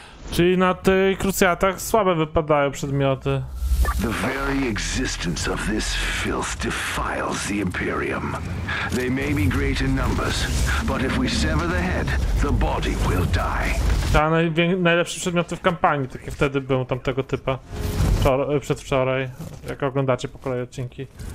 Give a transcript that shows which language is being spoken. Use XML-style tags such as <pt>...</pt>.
<pl>Czyli na tych krucjatach słabe wypadają przedmioty.</pl> <en>The very existence of this filth defiles the Imperium. They may be great in numbers, but if we sever the head, the body will die.</en> <pl>tak, najlepsze przedmioty w kampanii, takie wtedy był tamtego typa. Przedwczoraj, jak oglądacie po kolei odcinki.</pl>